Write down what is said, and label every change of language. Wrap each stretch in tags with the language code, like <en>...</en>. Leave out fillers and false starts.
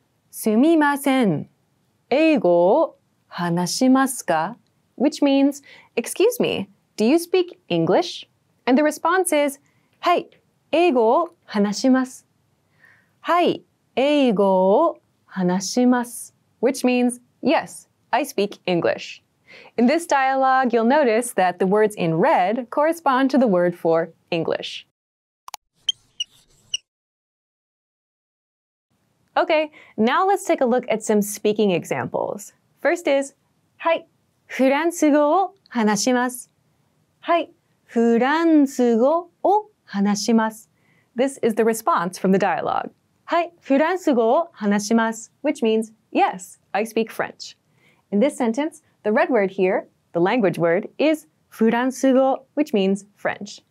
<ja>すみません, 英語話しますか?</ja> <en>Which means, excuse me, do you speak English? And the response is,</en> <ja>はい、英語を話します。はい、英語を話します。</ja> <en>Which means, yes, I speak English. In this dialogue, you'll notice that the words in red correspond to the word for English. Okay, now let's take a look at some speaking examples. First is,</en> <ja>はい、フランス語を話します。はい、フランス語を話します。</ja> <en>This is the response from the dialogue.</en> <ja>はい、フランス語を話します。</ja> <en>Which means, yes, I speak French. In this sentence, the red word here, the language word, is フランス語, which means French.</en>